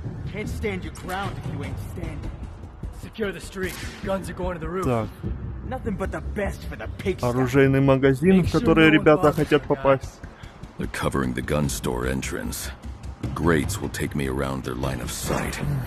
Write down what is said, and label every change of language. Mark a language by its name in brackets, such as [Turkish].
[English] Can't stand your ground if you ain't standing. Secure the street. Guns are going to the roof. Так. Nothing but the best for the pigs. [Russian] Оружейный магазин, в который ребята хотят попасть. [English] They're covering the gun store entrance. Grates will take me around their line of sight.